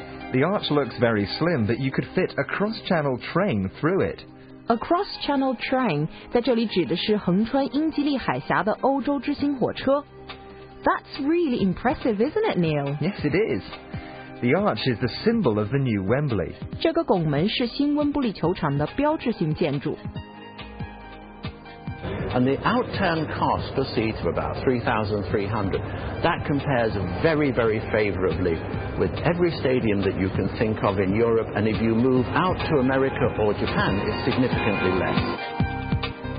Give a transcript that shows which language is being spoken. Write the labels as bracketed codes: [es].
[en] The arch looks very slim, but you could fit a cross-channel train through it. A cross-channel train [zh] 在这里指的是横穿英吉利海峡的欧洲之星火车。 [en] That's really impressive, isn't it, Neil? Yes, it is. The arch is the symbol of the new Wembley. [zh] 这个拱门是新温布利球场的标志性建筑。 [en] And the outturn cost per seat of about $3,300. That compares very, very favorably with every stadium that you can think of in Europe. And if you move out to America or Japan, it's significantly less.